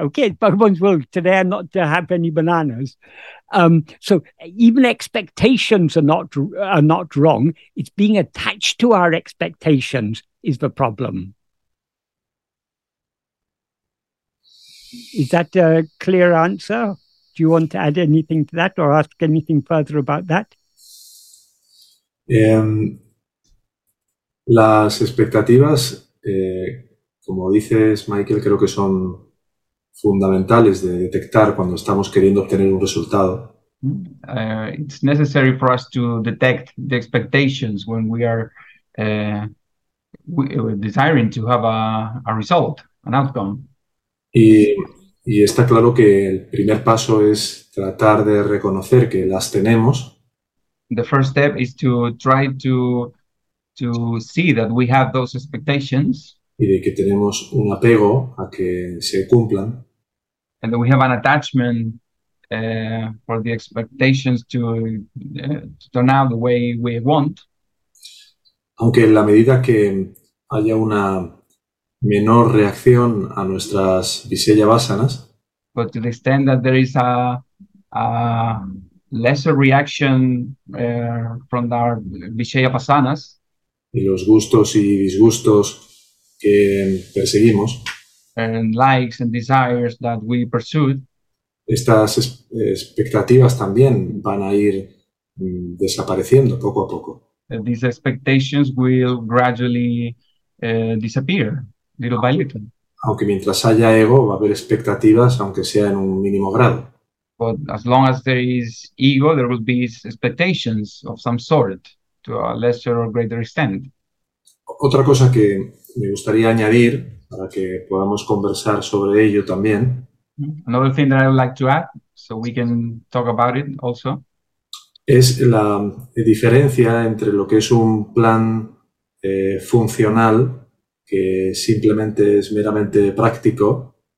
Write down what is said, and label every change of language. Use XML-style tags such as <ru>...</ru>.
<en>Okay, it's Bhagavan's will today not to have any bananas. So even expectations are not wrong. It's being attached to our expectations is the problem. Is that a clear answer? Do you want to add anything to that or ask anything further about that?</en> <es>Las expectativas, como dices, Michael, creo que son fundamentales de detectar cuando estamos queriendo obtener un resultado.</es> <en>It's necessary for us to detect the expectations when we are desiring to have a result, an outcome.</en> <es>Y está claro que el primer paso es tratar de reconocer que las tenemos.</es> <en>The first step is to try to see that we have those expectations.</en> <es>Y de que tenemos un apego a que se cumplan.</es> <en>And that we have an attachment for the expectations to turn out the way we want.</en> <es>Aunque en la medida que haya una menor reacción a nuestras visheya vasanas,</es> <en>But to the extent that there is a lesser reaction from our Vishaya Pasanas,</en> <es>y los gustos y disgustos que perseguimos,</es> <en>and likes and desires that we pursued,</en> <es>estas expectativas también van a ir desapareciendo poco a poco.</es> <en>These expectations will gradually disappear, little by little.</en> <es>Aunque mientras haya ego, va a haber expectativas, aunque sea en un mínimo grado.</es> <en>But as long as there is ego, there will be expectations of some sort, to a lesser or greater extent.</en> <es>Otra cosa que me gustaría añadir, para que podamos conversar sobre ello también.</es> <en>Another thing that I would like to add, so we can talk about it also.</en> <es>Es la diferencia entre lo que es un plan funcional, que simplemente es meramente práctico.</es>